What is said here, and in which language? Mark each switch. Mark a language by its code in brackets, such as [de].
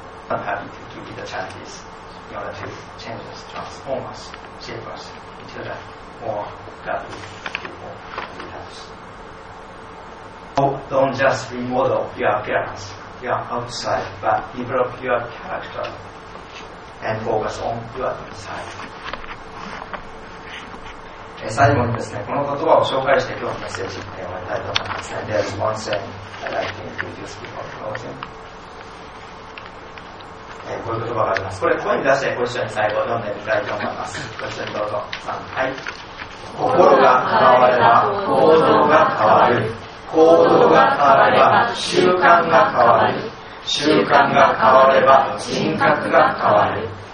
[en] I'm happy to give you the challenges in order to change us, transform us, shape us into the more godly people we have. So don't just remodel your appearance, your outside, but develop your character and focus on your inside. [ja] 最後にですね、この言葉を紹介して今日のメッセージを終わりたいと思います、ね。 [en] There is one thing I'd like to introduce before closing. [ja] こういう言葉があります。これ声に出してご一緒に最後読んでみたいと思います。ご一緒にどうぞ。はい。心が変われば行動が変わる。行動が変われば習慣が変わる。習慣が変われば人格が変わる。